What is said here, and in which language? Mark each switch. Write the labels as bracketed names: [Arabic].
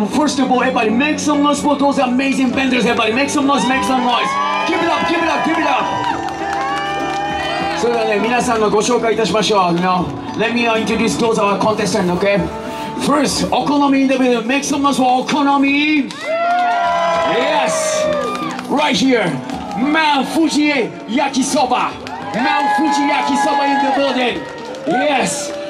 [English] First of all, everybody, make some noise for those amazing vendors, everybody. Make some noise. Give it up. [Japanese] それではね、皆さんのご紹介いたしましょう。 [English] Now, let me introduce those our contestants, okay? First, Okonomi individual. Make some noise for Okonomi. Yes. Right here. Mount Fuji Yakisoba. Mount Fuji Yakisoba in the building. Yes.